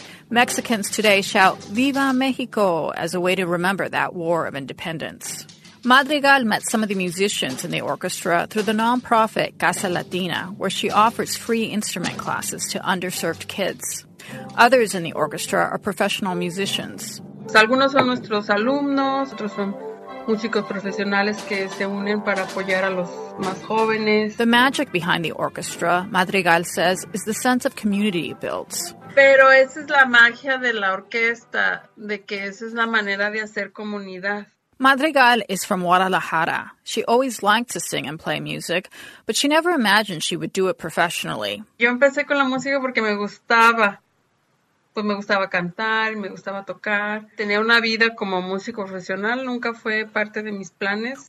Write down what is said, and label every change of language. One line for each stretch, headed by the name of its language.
English: Mexicans today shout Viva Mexico as a way to remember that war of independence. Madrigal met some of the musicians in the orchestra through the nonprofit Casa Latina, where she offers free instrument classes to underserved kids. Others in the orchestra are professional musicians.
Spanish: Algunos son nuestros alumnos, otros son músicos profesionales que se unen para apoyar a los más jóvenes.
English: The magic behind the orchestra, Madrigal says, is the sense of community it builds.
Spanish: Pero esa es la magia de la orquesta, de que esa es la manera de hacer comunidad.
English: Madrigal is from Guadalajara. She always liked to sing and play music, but she never imagined she would do it professionally.
Spanish: Yo empecé con la música porque me gustaba. Pues me gustaba cantar, me gustaba tocar. Tenía una vida como músico profesional, nunca fue parte de mis planes.